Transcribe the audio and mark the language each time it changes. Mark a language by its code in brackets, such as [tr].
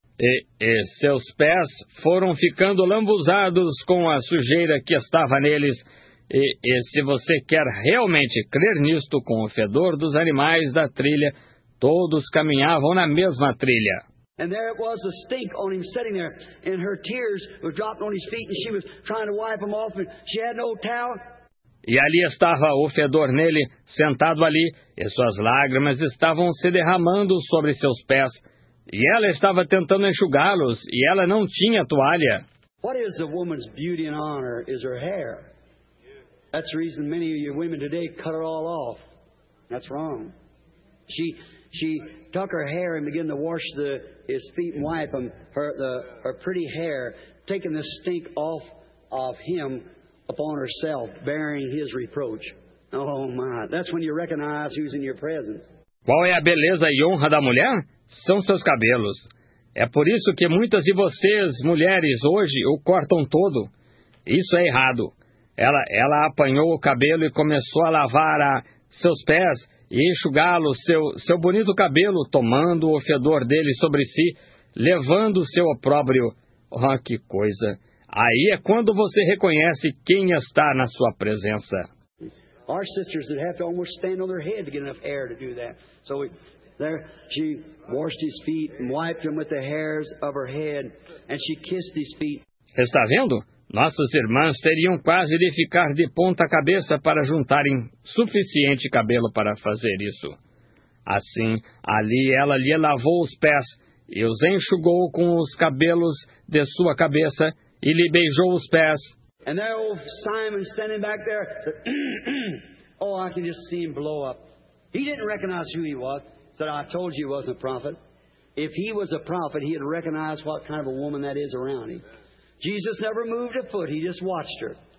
[pt] E seus pés foram ficando lambuzados com a sujeira que estava neles, e se você quer realmente crer nisto, com o fedor dos animais da trilha, todos caminhavam na mesma trilha. [en] And there it was, a stink on him sitting there, and her tears were dropping on his feet, and she was trying to wipe them off, and she had no towel. [pt] E ali estava o fedor nele, sentado ali, e suas lágrimas estavam se derramando sobre seus pés. E ela estava tentando enxugá-los, e ela não tinha toalha. [en] What is a woman's beauty and honor is her hair. That's the reason many of you women today cut it all off. That's wrong. She took her hair and began to wash his feet and wipe him, her pretty hair, taking the stink off of him upon herself, bearing his reproach. Oh my, that's when you recognize who's in your presence. [pt] Qual é a beleza e honra da mulher? São seus cabelos. É por isso que muitas de vocês, mulheres, hoje o cortam todo. Isso é errado. Ela apanhou o cabelo e começou a lavar seus pés, e enxugá-lo, seu bonito cabelo, tomando o fedor dele sobre si, levando seu opróbrio. Oh, que coisa! Aí é quando você reconhece quem está na sua presença. [en] Our sisters would have to almost stand on their head to get enough air to do that. So she washed his feet and wiped them with the hairs of her head, and she kissed his feet. [pt] Está vendo? Nossas irmãs teriam quase de ficar de ponta cabeça para juntarem suficiente cabelo para fazer isso. Assim, ali ela lhe lavou os pés e os enxugou com os cabelos de sua cabeça e lhe beijou os pés. [en] And there old Simon standing back there said, oh, I can just see him blow up. He didn't recognize who he was. Said, I told you he wasn't a prophet. If he was a prophet, he'd recognize what kind of a woman that is around him. Jesus never moved a foot. He just watched her.